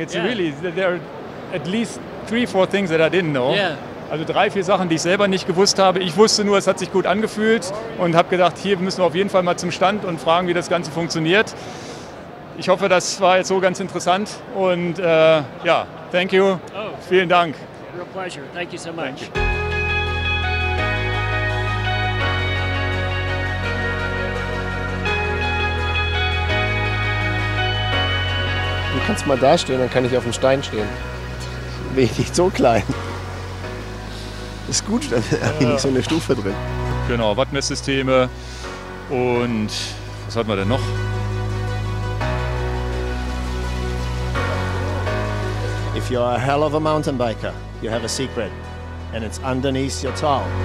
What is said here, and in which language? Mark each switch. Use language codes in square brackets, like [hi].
[en] It's really, there are at least 3-4 things that I didn't know. Yeah. [de] Also 3-4 Sachen, die ich selber nicht gewusst habe. Ich wusste nur, es hat sich gut angefühlt und habe gedacht, hier müssen wir auf jeden Fall mal zum Stand und fragen, wie das Ganze funktioniert. Ich hoffe, das war jetzt so ganz interessant und [en] thank you. Oh. [de] Vielen Dank. [en] Real pleasure. Thank you so much. Thank you. [de] Du kannst mal da stehen, dann kann ich auf dem Stein stehen. Bin ich nicht so klein. Ist gut, dann habe ich nicht so eine Stufe drin. Genau, Wattmesssysteme und was hat man denn noch? [en] If you're a hell of a mountain biker, you have a secret, and it's underneath your towel.